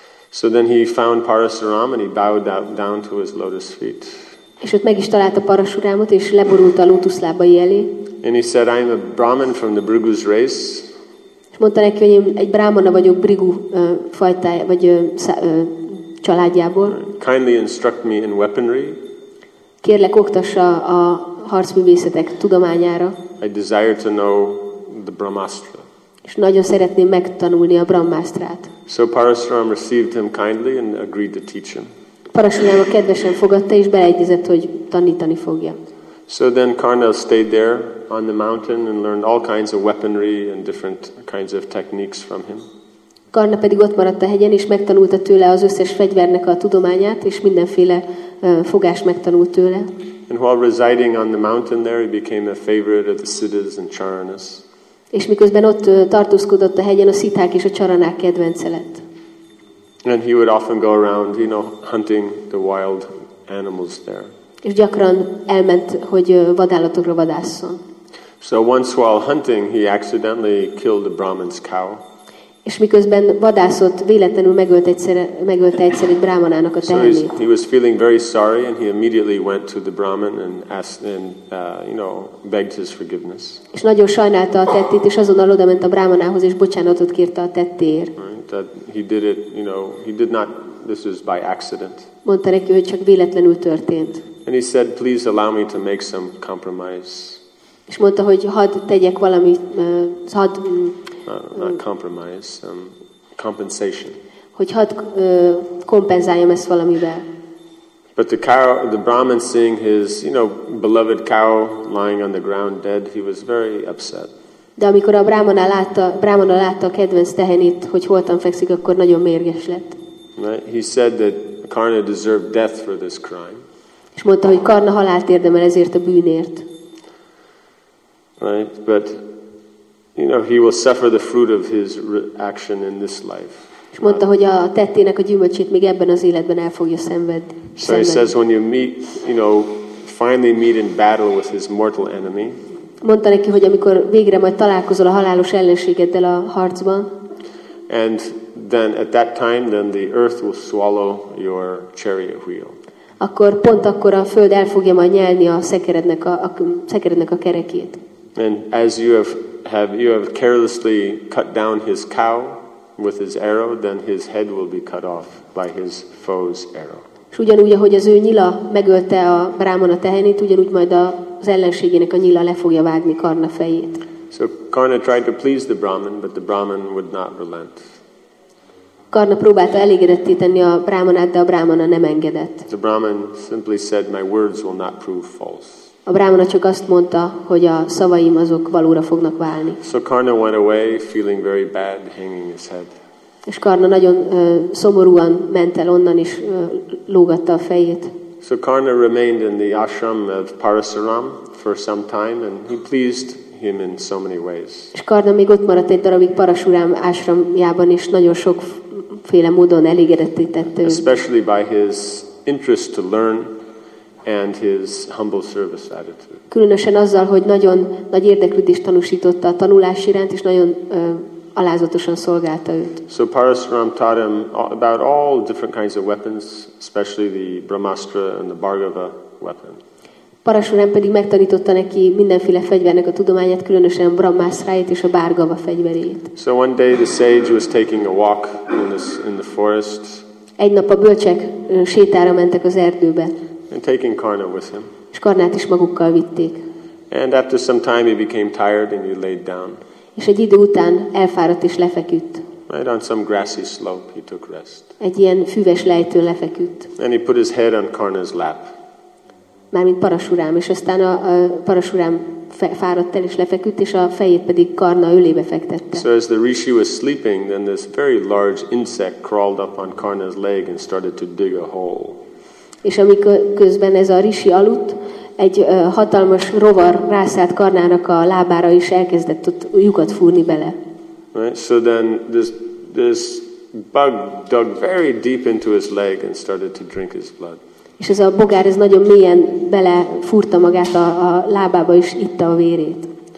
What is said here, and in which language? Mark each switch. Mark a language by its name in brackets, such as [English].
[English] So then he found Parasuram and he bowed down to his lotus feet. [Hungarian] És ott meg is találta Parasurámot, és leborult a lótuszlábai elé. [English] And he said, I am a Brahmin from the Bhrigu's race. [Hungarian] És mondta neki, hogy én egy brámana vagyok Bhrigu fajtája, vagy családjából. [English] Kindly instruct me in weaponry. [Hungarian] Kérlek, oktassa a harcművészetek tudományára. [English] I desire to know the Brahmastra. [Hungarian] És nagyon szeretném megtanulni a Brahmastrát. [English] So Parasuram received him kindly and agreed to teach him. [Hungarian] Parasuram kedvesen fogadta és beleegyezett, hogy tanítani fogja. [English] So then Karna stayed there on the mountain and learned all kinds of weaponry and different kinds of techniques from him. [Hungarian] Karna pedig ott maradt a hegyen és megtanulta tőle az összes fegyvernek a tudományát és mindenféle fogást megtanult tőle. [English] And while residing on the mountain there, he became a favorite of the siddhas and charanas. [Hungarian] És miközben ott tartózkodott a hegyen, a szíták és a csaranák kedvence lett. [English] And he would often go around, you know, hunting the wild animals there. [Hungarian] És gyakran elment, hogy vadállatokra vadásszon. [English] So once while hunting, he accidentally killed a Brahmin's cow. [Hungarian] És miközben vadászott, véletlenül megölte egyszer egy brahmanának a tehenét. [English] So he was feeling very sorry and he immediately went to the brahmin and asked and you know, begged his forgiveness. [Hungarian] És nagyon sajnálta a tettét, és azonnal odament a brahmanához, és bocsánatot kérte a tettéért. [English] Right, he did it, you know, he did not, this is by accident. [Hungarian] Mondta neki, hogy csak véletlenül történt. [English] And he said, please allow me to make some compromise. [Hungarian] És mondta, hogy hadd tegyek valamit, hadd [English] not compromise, compensation. [Hungarian] Hogy hadd kompenzáljam ezt valamivel. [English] But the cow, the Brahmin seeing his, you know, beloved cow lying on the ground dead, he was very upset. [Hungarian] De amikor a Brahmana látta a kedvenc tehenét, hogy holtan fekszik, akkor nagyon mérges lett. [English] Right? He said that Karna deserved death for this crime. [Hungarian] És mondta, hogy Karna halált érdemel ezért a bűnért. [English] Right, but you know, he will suffer the fruit of his action in this life. [Hungarian] És mondta, hogy a tettének a gyümölcsét még ebben az életben el fogja szenvedni. [English] So he says when you meet, you know, finally meet in battle with his mortal enemy. [Hungarian] Mondta neki, hogy amikor végre majd találkozol a halálos ellenségeddel a harcban. [English] And then at that time then the earth will swallow your chariot wheel. [Hungarian] Akkor pont akkor a föld el fogja majd nyelni a szekerednek a szekerednek a kerekét. [English] And as you have carelessly cut down his cow with his arrow, then his head will be cut off by his foe's arrow. [Hungarian] És ugyanúgy, ahogy az ő nyila megölte a brámana tehenét, ugyanúgy majd az ellenségének a nyila le fogja vágni Karna fejét. [English] So Karna tried to please the Brahman, but the Brahman would not relent. [Hungarian] Karna próbálta elégedetté tenni a brámanát, de a brámana nem engedett. [English] The Brahman simply said, my words will not prove false. [Hungarian] A brámana csak azt mondta, hogy a szavaim azok valóra fognak válni. [English] So Karna went away feeling very bad, hanging his head. [Hungarian] És Karna nagyon szomorúan ment el onnan is, lógatta a fejét. [English] So Karna remained in the ashram of Parasuram for some time and he pleased him in so many ways. [Hungarian] És Karna még ott maradt egy darabig Parasuram ashramjában is, nagyon sok féle módon elégedetté tett őt. [English] Especially by his interest to learn and his humble service attitude. [Hungarian] Különösen azzal, hogy nagyon nagy érdeklődést tanúsította a tanulás iránt, és nagyon alázatosan szolgálta őt. [English] So Parasuram taught him about all different kinds of weapons, especially the Brahmastra and the Bhargava weapon. [Hungarian] Parasuram pedig megtanította neki mindenféle fegyvernek a tudományát, különösen a Brahmastrait és a Bhargava fegyverét. [English] So one day the sage was taking a walk in the forest. [Hungarian] Egy nap a bölcsek sétára mentek az erdőbe. [English] And taking Karna with him. [Hungarian] És Karnát is magukkal vitték. [English] And after some time he became tired and he laid down. [Hungarian] És egy idő után elfáradt és lefeküdt. [English] Right on some grassy slope he took rest. [Hungarian] Egy ilyen füves lejtőn lefeküdt. [English] And he put his head on Karna's lap. [Hungarian] Mármint Parasuram, és aztán a Parasuram fáradt el és lefeküdt, és a fejét pedig Karna ölébe fektette. [English] So as the rishi was sleeping, then this very large insect crawled up on Karna's leg and started to dig a hole. [Hungarian] És amikor közben ez a rishi aludt, egy hatalmas rovar rászállt Karnának a lábára, és elkezdett ott lyukat fúrni bele. [English] Right, so then this bug dug very deep into his leg and started to drink his blood. [Hungarian] És ez a bogár, ez nagyon mélyen belefúrta magát a lábába, és itta a vérét.